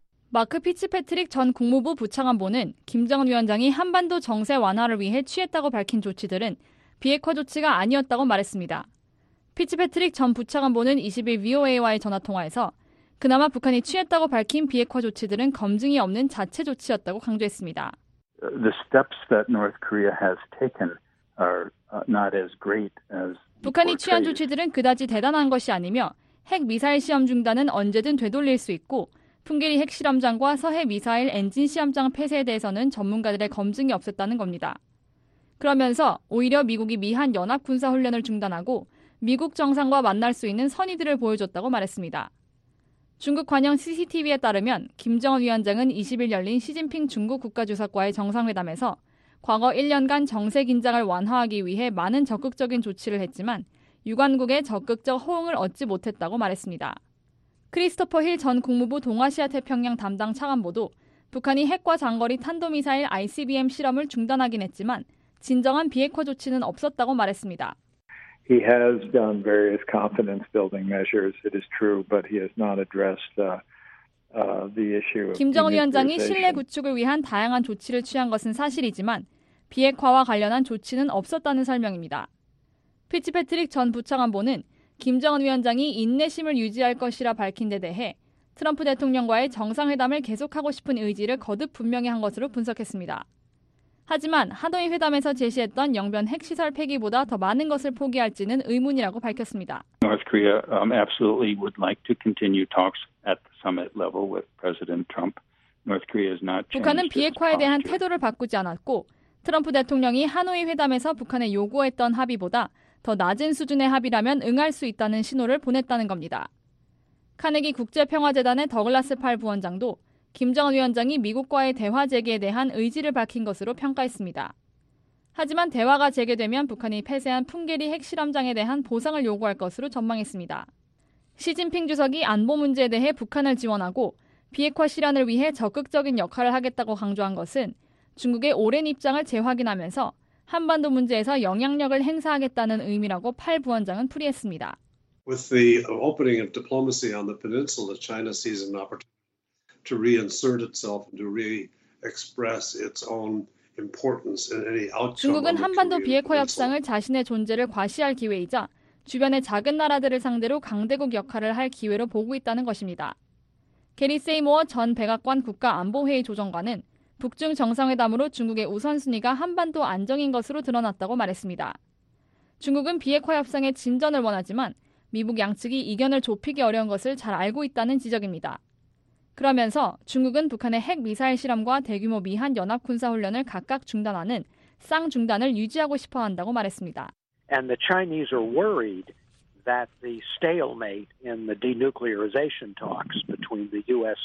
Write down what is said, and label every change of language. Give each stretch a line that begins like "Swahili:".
Korean: 마크 피츠패트릭 전 국무부 부차관보는 김정은 위원장이 한반도 정세 완화를 위해 취했다고 밝힌 조치들은 비핵화 조치가 아니었다고 말했습니다. 피츠패트릭 전 부차관보는 20일 VOA와의 전화통화에서 그나마 북한이 취했다고 밝힌 비핵화 조치들은 검증이 없는 자체 조치였다고 강조했습니다.
English: The steps that North Korea has taken are not as great as
Korean: 북한이 취한 조치들은 그다지 대단한 것이 아니며 핵미사일 시험 중단은 언제든 되돌릴 수 있고 풍계리 핵실험장과 서해 미사일 엔진 시험장 폐쇄에 대해서는 전문가들의 검증이 없었다는 겁니다. 그러면서 오히려 미국이 미한 연합군사훈련을 중단하고 미국 정상과 만날 수 있는 선의들을 보여줬다고 말했습니다. 중국 관영 CCTV에 따르면 김정은 위원장은 20일 열린 시진핑 중국 국가주석과의 정상회담에서 과거 1년간 정세 긴장을 완화하기 위해 많은 적극적인 조치를 했지만 유관국의 적극적 호응을 얻지 못했다고 말했습니다. 크리스토퍼 힐 전 국무부 동아시아태평양 담당 차관보도 북한이 핵과 장거리 탄도미사일 ICBM 실험을 중단하긴 했지만 진정한 비핵화 조치는 없었다고 말했습니다.
English: He has done various confidence building measures. It is true, but he has not addressed the issue.
Korean: 김정은 위원장이 신뢰 구축을 위한 다양한 조치를 취한 것은 사실이지만 비핵화와 관련한 조치는 없었다는 설명입니다. 피츠패트릭 전 부차관보는 김정은 위원장이 인내심을 유지할 것이라 밝힌 데 대해 트럼프 대통령과의 정상회담을 계속하고 싶은 의지를 거듭 분명히 한 것으로 분석했습니다. 하지만 하노이 회담에서 제시했던 영변 핵시설 폐기보다 더 많은 것을 포기할지는 의문이라고 밝혔습니다.
English: North Korea absolutely would like to continue talks at the summit level with President Trump. North Korea is not
Korean: 북한은 비핵화에 대한 태도를 바꾸지 않았고 트럼프 대통령이 하노이 회담에서 북한에 요구했던 합의보다 더 낮은 수준의 합의라면 응할 수 있다는 신호를 보냈다는 겁니다. 카네기 국제평화재단의 더글라스 팔 부원장도 김정은 위원장이 미국과의 대화 재개에 대한 의지를 밝힌 것으로 평가했습니다. 하지만 대화가 재개되면 북한이 폐쇄한 풍계리 핵실험장에 대한 보상을 요구할 것으로 전망했습니다. 시진핑 주석이 안보 문제에 대해 북한을 지원하고 비핵화 실현을 위해 적극적인 역할을 하겠다고 강조한 것은 중국의 오랜 입장을 재확인하면서 한반도 문제에서 영향력을 행사하겠다는 의미라고 팔 부원장은 풀이했습니다.
English: With the opening of diplomacy on the peninsula, China sees an opportunity to reinsert itself and to re-express its own importance in any outcome.
Korean: 중국은 한반도 비핵화 협상을 자신의 존재를 과시할 기회이자 주변의 작은 나라들을 상대로 강대국 역할을 할 기회로 보고 있다는 것입니다. 게리 세이모어 전 백악관 국가안보회의 조정관은 북중 정상회담으로 중국의 우선순위가 한반도 안정인 것으로 드러났다고 말했습니다. 중국은 비핵화 협상의 진전을 원하지만 미국 양측이 이견을 좁히기 어려운 것을 잘 알고 있다는 지적입니다. 그러면서 중국은 북한의 핵미사일 실험과 대규모 미한 연합군사훈련을 각각 중단하는 쌍중단을 유지하고 싶어 한다고 말했습니다.
English: And the Chinese are worried that the stalemate in the denuclearization talks between the U.S.